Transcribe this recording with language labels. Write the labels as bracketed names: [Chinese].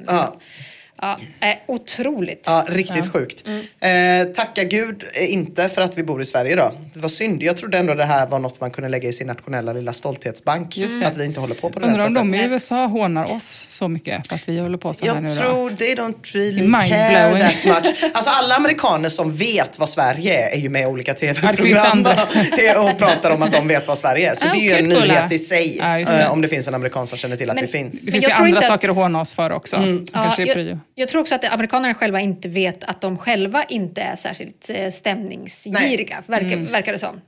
[Swedish] Liksom. Otroligt. Ja, riktigt sjukt. Mm. Tacka Gud inte för att vi bor i Sverige då. Det var synd. Jag trodde ändå det här var något man kunde lägga i sin nationella lilla stolthetsbank. Just att vi inte håller på det där sättet. Undrar om de i USA hånar oss så mycket för att vi håller på så här nu då. Jag tror [English] they don't really care that much. [Swedish] Alltså alla amerikaner som vet vad Sverige är ju med i olika tv-program. Och pratar om att de vet vad Sverige är. Så det är ju en nyhet i sig. Om det finns en amerikan som känner till att det finns. Det finns ju andra saker att håna oss för också. Mm. Kanske är prio. Jag tror också att amerikanerna själva inte vet att de själva inte är särligt stämningsgiriga, verkar det som.